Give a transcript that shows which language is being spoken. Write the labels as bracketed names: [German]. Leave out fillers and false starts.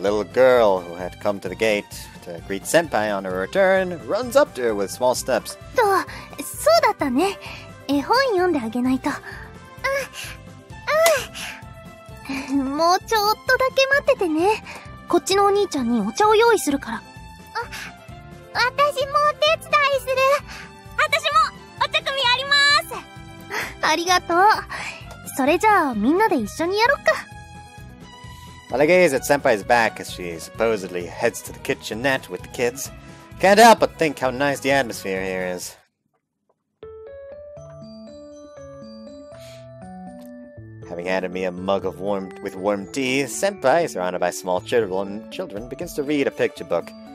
[English] A little girl who had come to the gate to greet Senpai on her return runs up to her with small steps. [Japanese] そうだったね。絵本読んであげないと。もうちょっとだけ待っててね。こっちのお兄ちゃんにお茶を用意するから。私もお手伝いする。私もお茶組やります。ありがとう。それじゃあみんなで一緒にやろっか。 [English] While I gaze at Senpai's back as she supposedly heads to the kitchenette with the kids, can't help but think how nice the atmosphere here is. Having handed me a mug of warm tea, Senpai, surrounded by small children, begins to read a picture book.